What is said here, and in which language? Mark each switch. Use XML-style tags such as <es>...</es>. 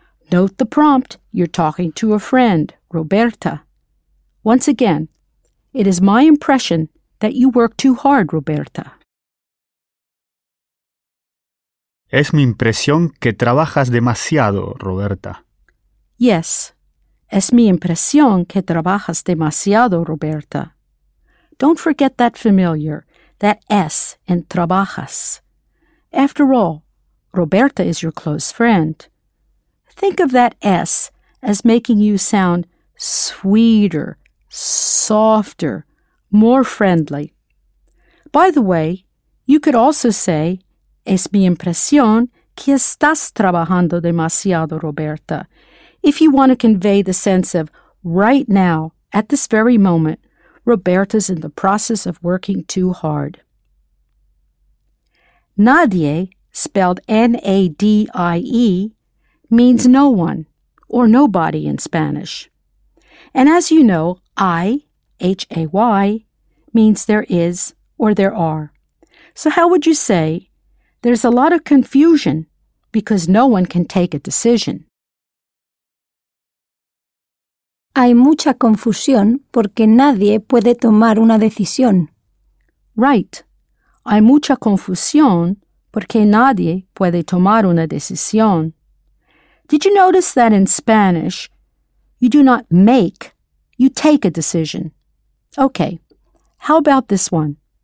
<en>Note the prompt, you're talking to a friend, Roberta. Once again, it is my impression that you work too hard, Roberta.</en> <es>Es mi impresión que trabajas demasiado, Roberta.</es> <en>Yes.</en> <es>Es mi impresión que trabajas demasiado, Roberta.</es> <en>Don't forget that familiar, that S in trabajas. After all, Roberta is your close friend. Think of that S as making you sound sweeter, softer, more friendly. By the way, you could also say,</en> <es>es mi impresión que estás trabajando demasiado, Roberta,</es> <en>if you want to convey the sense of, right now, at this very moment, Roberta's in the process of working too hard. Nadie, spelled N-A-D-I-E, means no one, or nobody in Spanish. And as you know, I, H-A-Y, means there is or there are. So how would you say, there's a lot of confusion because no one can take a decision?</en> <es>Hay mucha confusión porque nadie puede tomar una decisión.</es> <en>Right.</en> <es>Hay mucha confusión porque nadie puede tomar una decisión.</es> <en>Did you notice that in Spanish, you do not make, you take a decision? Okay. How about this one?</en>